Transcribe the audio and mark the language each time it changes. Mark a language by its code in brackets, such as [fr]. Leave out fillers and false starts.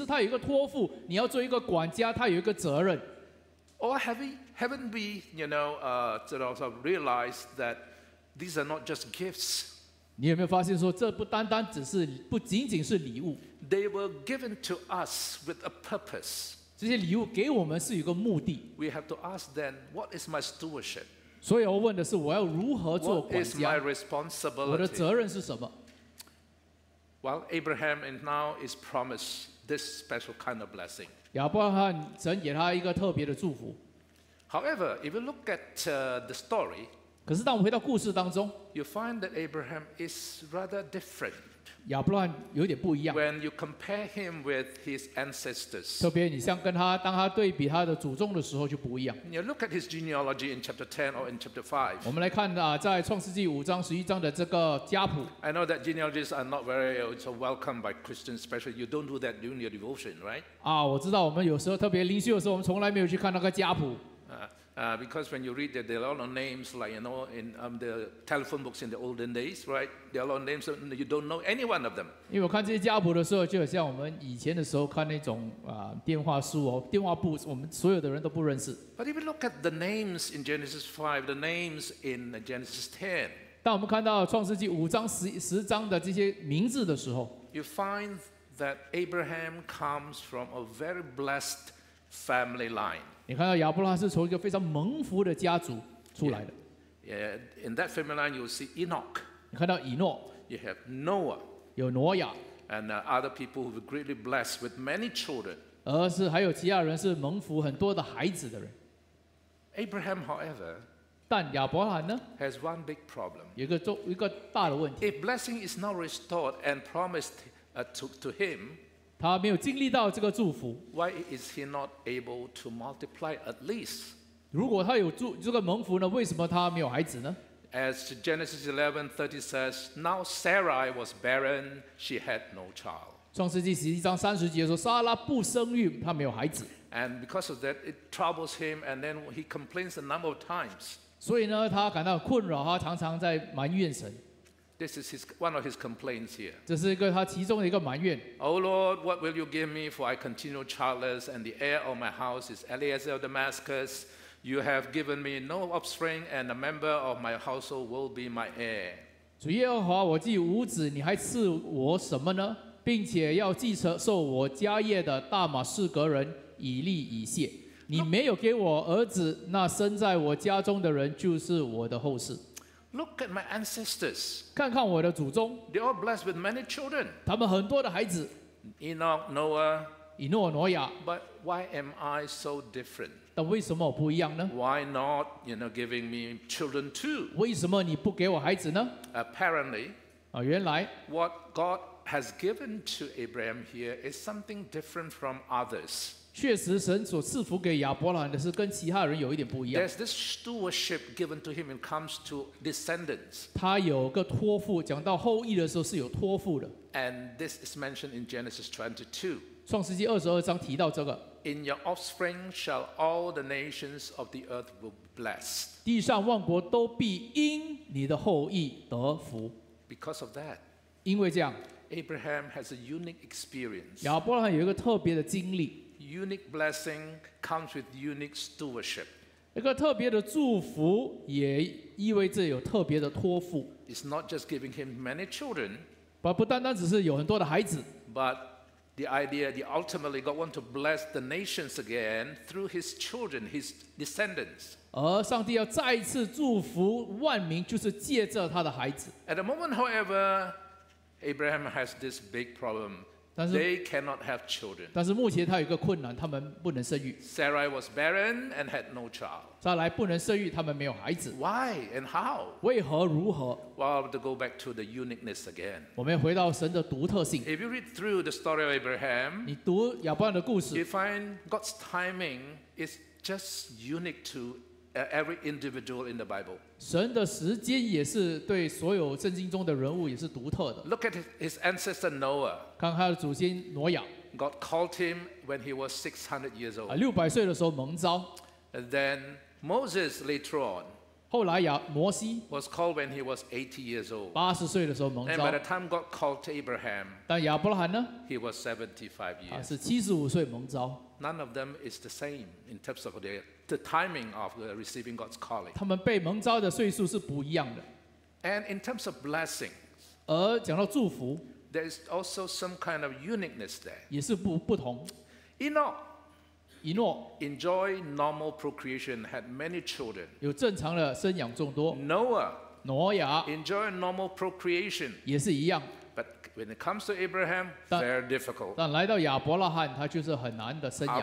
[zh] 你有没有想过，你生命中领受的祝福，其实它有一个托付，你要做一个管家，它有一个责任。 [en] Or haven't we, you know, sort of realized that these are not just gifts? [zh] 你有没有发现说，这不仅仅是礼物？ [en] They were given to us with a purpose. [zh] 这些礼物给我们是有个目的。 [en] We have to ask then, what is my stewardship? [zh] 所以我问的是，我要如何做管家？ [en] What is my responsibility? [zh] 我的责任是什么？ [en] Well, Abraham now is promised this special kind of blessing. [zh] 亚伯拉罕神给他一个特别的祝福。 [en] However, if you look at the story, [zh] 可是当我们回到故事当中 [en] ，you find that Abraham is rather different. [zh] 亚伯拉罕有点不一样。 [en] When you compare him with his ancestors, [zh] 特别你像跟他当他对比他的祖宗的时候就不一样。 [en] You look at his genealogy in chapter 10 or in chapter 5. [zh] 我们来看啊，在创世纪五章十一章的这个家谱。 [en] I know that genealogies are not very welcome by Christians, especially you don't do that during your devotion, right? [zh] 啊，我知道我们有时候特别灵修的时候，我们从来没有去看那个家谱。 [en] Because when you read that, there are a lot of names, like you know, in the telephone books in the olden days, right? There are a lot of names, and you don't know any one of them. [zh] 因为我看这些家谱的时候，就好像我们以前的时候看那种电话书哦，电话簿，我们所有的人都不认识。 [en] But if you look at the names in Genesis 5, the names in Genesis 10, [zh] 当我们看到创世纪五章十章的这些名字的时候 [en] ，you find that Abraham comes from a very blessed family line. [zh] 你看到亚伯拉罕是从一个非常蒙福的家族出来的。 [en] Yeah, in that family line, you see Enoch. [zh] 你看到以诺。 [en] You have Noah. [zh] 有挪亚。 [en] And other people who were greatly blessed with many children. [zh] 而是还有其他人是蒙福很多的孩子的人。 [en] Abraham, however, [zh] 但亚伯拉罕呢 [en] ？Has one big problem. [zh] 有一个大的问题。 [en] If blessing is not restored and promised to him. [zh] 他没有经历到这个祝福。 [en] Why is he not able to multiply at least? [zh] 如果他有这个蒙福呢，为什么他没有孩子呢 [en] ？As Genesis 11:30 says, now Sarai was barren; she had no child. [zh] 创世纪十一章三十节说，撒拉不生育，她没有孩子。 [en] And because of that, it troubles him, and then he complains a number of times. [zh] 所以呢，他感到困扰，他常常在埋怨神。 [en] This is one of his complaints here. [zh] 这是一个他其中的一个埋怨。 [en] Oh Lord, what will you give me for I continue childless and the heir of my house is Eliezer of Damascus? You have given me no offspring and a member of my household will be my heir. [zh] 主耶和华，我既无子，你还赐我什么呢？并且要继承受我家业的大马士革人以利以谢。你没有给我儿子，那生在我家中的人就是我的后嗣。 [en] Look at my ancestors. [zh] 看看我的祖宗。 [en] They are blessed with many children. [zh] 他们很多的孩子。 [en] Enoch, Noah. [zh] 以诺、挪亚。 [en] But why am I so different? [zh] 但为什么我不一样呢 [en] ？Why not, you know, giving me children too? [zh] 为什么你不给我孩子呢 [en] ？Apparently. [zh] 原来。 [en] What God has given to Abraham here is something different from others. [zh] 确实神所赐福给亚伯拉罕的是跟其他人有一点不一样。 [en] There's this stewardship given to him when it comes to descendants. [zh] 他有个托付，讲到后裔的时候是有托付的。 [en] And this is mentioned in Genesis 22. [zh] 创世纪二十二章提到这个。 [en] In your offspring shall all the nations of the earth be blessed. [zh] 地上万国都必因你的后裔得福。 [en] Because of that. [zh] 因为这样。 [en] Abraham has a unique experience. [zh] 亚伯拉罕有一个特别的经历。 [en] Unique blessing comes with unique stewardship. [zh] 一个特别的祝福也意味着有特别的托付。 [en] It's not just giving him many children, [zh] 不单单只是有很多的孩子。 [en] But the idea, the ultimately God wants to bless the nations again through his children, his descendants. [zh] 而上帝要再次祝福万民，就是借着他的孩子。 [en] At the moment, however, Abraham has this big problem. They cannot have children. [zh] 但是目前他有一个困难，他们不能生育。 [en] Sarai was barren and had no child. [zh] 再来不能生育，他们没有孩子。 [en] Why and how? [zh] 为何如何 [en] ？Well, to go back to the uniqueness again. [zh] 我们回到神的独特性。 [en] If you read through the story of Abraham, [zh] 你读亚伯拉罕的故事 [en] ，you find God's timing is just unique to every individual in the Bible. [zh] 神的时间也是对所有圣经中的人物也是独特的。 [en] Look at his ancestor Noah. [zh] 看他的祖先挪亚。 [en] God called him when he was 600 years old. [zh] 六百岁的时候蒙召。 [en] Then Moses later on. [zh] 后来摩西。 [en] Was called when he was 80 years old. [zh] 八十岁的时候蒙召。 [en] And by the time God called Abraham. [zh] 但亚伯拉罕呢 [en] ？He was 75 years. [zh] 他是七十五岁蒙召。 [en] None of them is the same in terms of the timing of receiving God's calling. [zh] 他们被蒙召的岁数是不一样的。 [en] And in terms of blessings, [zh] 而讲到祝福 [en] there is also some kind of uniqueness there. [zh] 也是不同。 [en] Enoch, [zh] 以诺 [en] enjoy normal procreation, had many children. [zh] 有正常的生养众多。 [en] Noah, [zh] 挪亚 [en] enjoy normal procreation, [zh] 也是一样。 [en] But When it comes to Abraham, very difficult. [zh] 但来到亚伯拉罕, 他就是很难的生养。